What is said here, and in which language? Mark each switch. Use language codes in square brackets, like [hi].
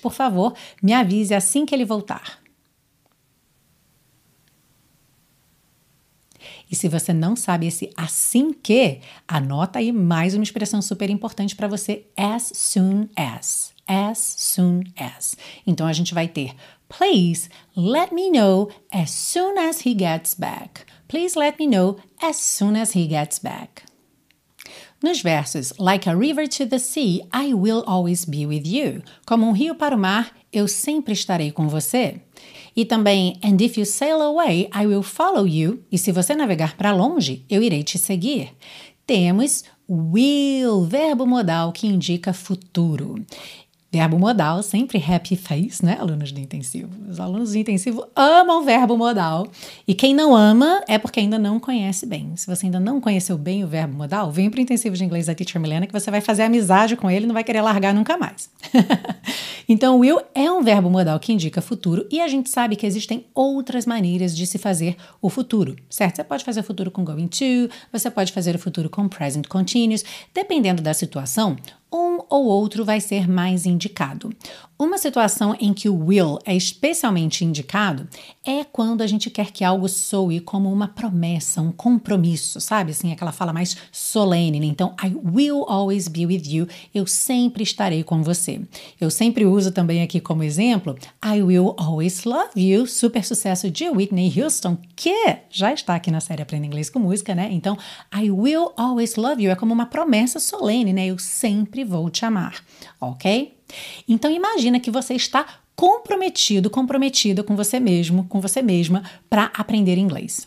[pt] Por favor, me avise assim que ele voltar. E se você não sabe esse assim que, anota aí mais uma expressão super importante para você, as soon as. [en] As soon as. [pt] Então a gente vai ter, [en] please let me know as soon as he gets back. Please let me know as soon as he gets back. Nos versos, like a river to the sea, I will always be with you. [pt] Como um rio para o mar, eu sempre estarei com você. E também, [en] and if you sail away, I will follow you. [pt] E se você navegar para longe, eu irei te seguir. Temos will, verbo modal que indica futuro. Verbo modal, sempre happy face, né, alunos do intensivo? Os alunos do intensivo amam verbo modal. E quem não ama é porque ainda não conhece bem. Se você ainda não conheceu bem o verbo modal, vem para o intensivo de inglês da Teacher Milena que você vai fazer amizade com ele e não vai querer largar nunca mais. Então, will é um verbo modal que indica futuro e a gente sabe que existem outras maneiras de se fazer o futuro, certo? Você pode fazer o futuro com going to, você pode fazer o futuro com present continuous. Dependendo da situação, um ou outro vai ser mais indicado. Uma situação em que o will é especialmente indicado é quando a gente quer que algo soe como uma promessa, um compromisso, sabe? Assim, aquela fala mais solene, né? [en] Então, I will always be with you. [pt] Eu sempre estarei com você. Eu sempre uso também aqui como exemplo, [en] I will always love you. [pt] Super sucesso de Whitney Houston, que já está aqui na série Aprenda Inglês com Música, né? Então, [en] I will always love you [pt] é como uma promessa solene, né? Eu sempre vou te amar, ok? Então, imagina que você está comprometida com você mesmo, com você mesma, para aprender inglês.